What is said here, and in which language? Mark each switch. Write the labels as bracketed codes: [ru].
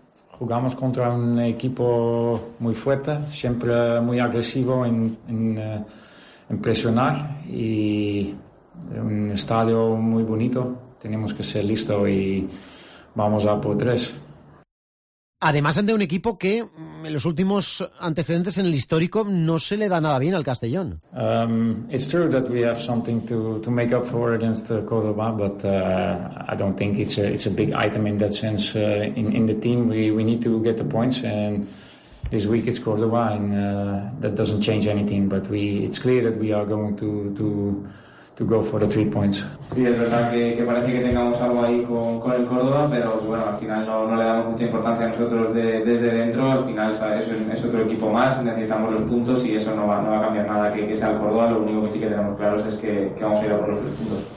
[es] Jugamos contra un equipo muy fuerte, siempre muy agresivo en presionar, y un estadio muy bonito. Tenemos que ser listos y vamos a por tres. Además, ante un equipo que en los últimos antecedentes en el histórico no se le da nada bien al Castellón. [en] It's true that we have something to make up for against Córdoba, but I don't think it's a big item in that sense. In the team, we need to get the points, and this week it's Córdoba, and that doesn't change anything. But it's clear that we are going to to go for the 3 points. [es] Sí, es verdad que parece que tengamos algo ahí con el Córdoba, pero bueno, al final no le damos mucha importancia a nosotros desde dentro. Al final, ¿sabes? Es otro equipo más, necesitamos los puntos y eso no va a cambiar nada que sea el Córdoba. Lo único que sí que tenemos claros es que vamos a ir a por los 3 puntos.